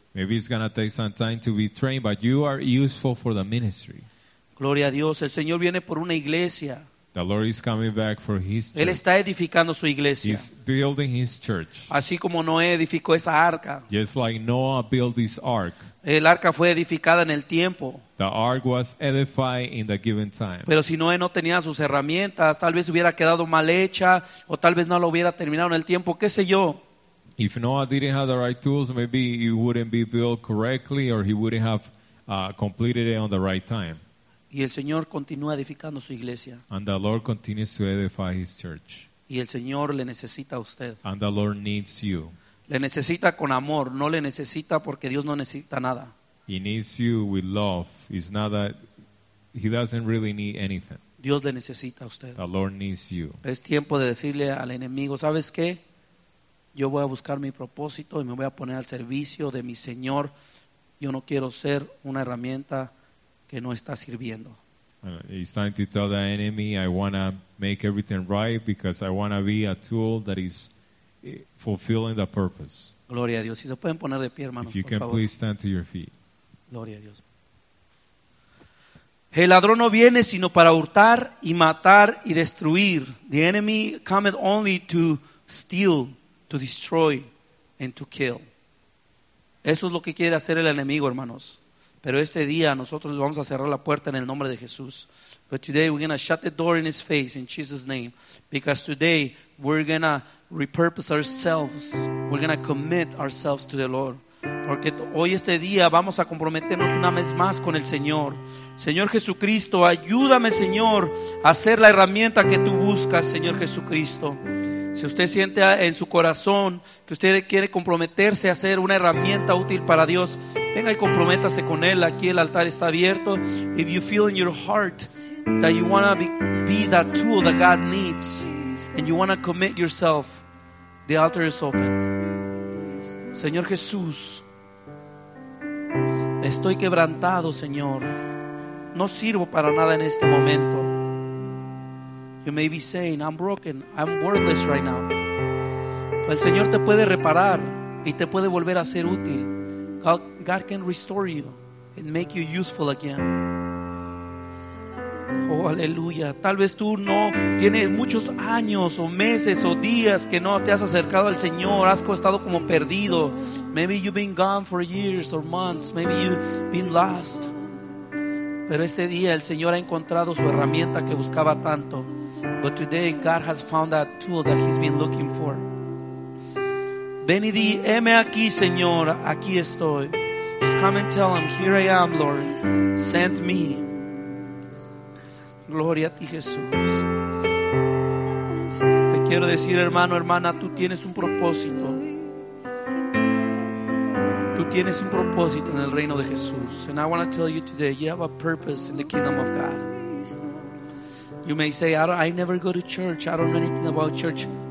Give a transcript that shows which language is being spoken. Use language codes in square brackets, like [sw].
[en] Maybe it's going to take some time to be trained, but you are useful for the ministry. [es] Gloria a Dios. El Señor viene por una iglesia. [en] The Lord is coming back for his church. [es] Él está edificando su iglesia. [en] He's building his church. [es] Así como Noé edificó esa arca. [en] Just like Noah built this ark. [es] El arca fue edificada en el tiempo. [en] The ark was edified in the given time. [es] Pero si Noé no tenía sus herramientas, tal vez hubiera quedado mal hecha, o tal vez no lo hubiera terminado en el tiempo, qué sé yo. [en] If Noah didn't have the right tools, maybe it wouldn't be built correctly, or he wouldn't have completed it on the right time. [es] Y el Señor continúa edificando su iglesia. [en] And the Lord continues to edify his church. [es] Y el Señor le necesita a usted. [en] And the Lord needs you. [es] Le necesita con amor, no le necesita porque Dios no necesita nada. [en] He needs you with love. It's not that he doesn't really need anything. [es] Dios le necesita a usted. [en] The Lord needs you. [es] Es tiempo de decirle al enemigo, ¿sabes qué? Yo voy a buscar mi propósito y me voy a poner al servicio de mi Señor. Yo no quiero ser una herramienta que no está sirviendo. [en] It's time to tell the enemy, I want to make everything right because I want to be a tool that is fulfilling the purpose. [es] Gloria a Dios. Si se pueden poner de pie, hermanos, [en] if you [es] por [en] can [es] favor. [en] Please stand to your feet. [es] Gloria a Dios. El ladrón no viene sino para hurtar y matar y destruir. [en] The enemy cometh only to steal, to destroy, and to kill. [es] Eso es lo que quiere hacer el enemigo, hermanos. Pero este día nosotros vamos a cerrar la puerta en el nombre de Jesús. [en] But today we're going to shut the door in his face in Jesus' name. Because today we're going to repurpose ourselves. We're going to commit ourselves to the Lord. [es] Porque hoy este día vamos a comprometernos una vez más con el Señor. Señor Jesucristo, ayúdame, Señor, a ser la herramienta que tú buscas, Señor Jesucristo. Si usted siente en su corazón que usted quiere comprometerse a ser una herramienta útil para Dios, venga y comprométase con Él. Aquí el altar está abierto. [en] If you feel in your heart that you want to be that tool that God needs and you want to commit yourself, the altar is open. [es] Señor Jesús, estoy quebrantado, Señor. [en] No sirvo para nada en este momento. You may be saying, I'm broken, I'm worthless right now. [es] Pero el Señor te puede reparar y te puede volver a ser útil. [en] God can restore you and make you useful again. [es] Oh, aleluya. Tal vez tú no tienes muchos años o meses o días que no te has acercado al Señor. Has estado como perdido. [en] Maybe you've been gone for years or months. Maybe you've been lost. [es] Pero este día el Señor ha encontrado su herramienta que buscaba tanto. [en] But today God has found that tool that he's been looking for. Ven y di, heme aquí, Señor, aquí estoy. Just come and tell him, here I am, Lord, send me. [es] Gloria a ti, Jesús. Te quiero decir, hermano, hermana, tú tienes un propósito. Tú tienes un propósito en el reino de Jesús. [en] And I want to tell you today, you have a purpose in the kingdom of God. You may say, I never go to church, I don't know anything about church.